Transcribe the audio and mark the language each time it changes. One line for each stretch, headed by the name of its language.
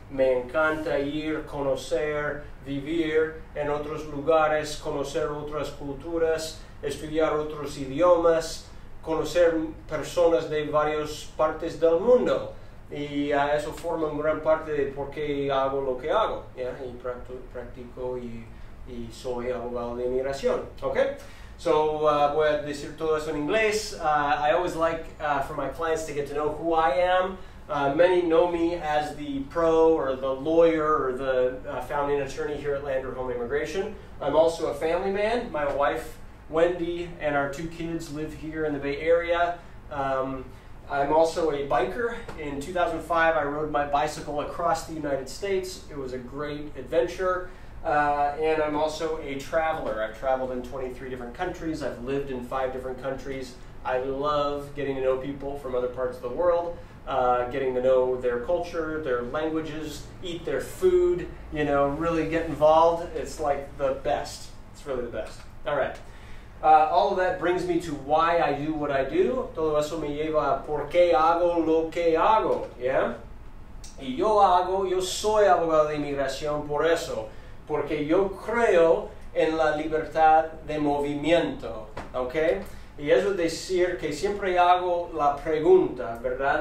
Spanish: Me encanta ir, conocer, vivir en otros lugares, conocer otras culturas, estudiar otros idiomas, conocer personas de varias partes del mundo, y eso forma una gran parte de por qué hago lo que hago, yeah? Y practico y soy abogado de inmigración, ok? So, voy a decir todo eso en inglés.
English: I always like for my clients to get to know who I am. Many know me as the pro or the lawyer or the founding attorney here at Landerholm Immigration. I'm also a family man. My wife Wendy and our two kids live here in the Bay Area. I'm also a biker. In 2005, I rode my bicycle across the United States. It was a great adventure. And I'm also a traveler. I've traveled in 23 different countries. I've lived in 5 different countries. I love getting to know people from other parts of the world, getting to know their culture, their languages, eat their food, you know, really get involved. It's like the best. It's really the best. All right. All of that brings me to why I do what I do.
Spanish: Todo eso me lleva a por qué hago lo que hago, yeah? Y yo soy abogado de inmigración por eso. Porque yo creo en la libertad de movimiento, okay? Y eso es decir que siempre hago la pregunta, ¿verdad?